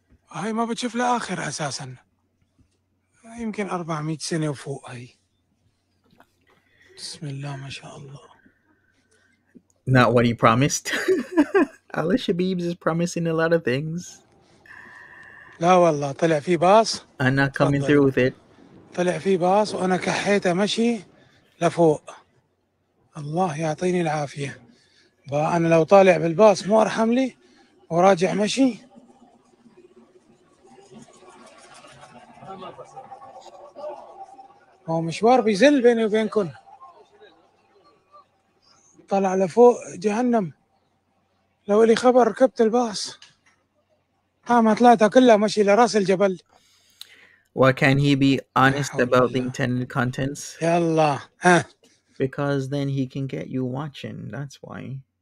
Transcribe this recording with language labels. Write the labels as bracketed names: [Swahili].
[Arabic] هاي ما بتشوف لآخر أساسا. يمكن 400 سنة وفوق هاي. بسم الله ما شاء الله. [English] Not what he promised. Alaa Shabib is promising a lot of things. [Arabic] لا والله طلع في باص. [English] I'm not coming through with it. [Arabic] طلع في باص وأنا كحيته مشي لفوق. الله يعطيني العافية. أنا لو طالع بالباص مو أرحم لي وراجع مشي. هو مشوار بيزل بيني وبينكم. طلع لفوق جهنم. لو لي خبر ركبت الباص. قام طلعتها كلها مشي لراس الجبل. [English] Why can he be honest about the intended contents? [Arabic] يلا. [English] Because then he can get you watching. That's why.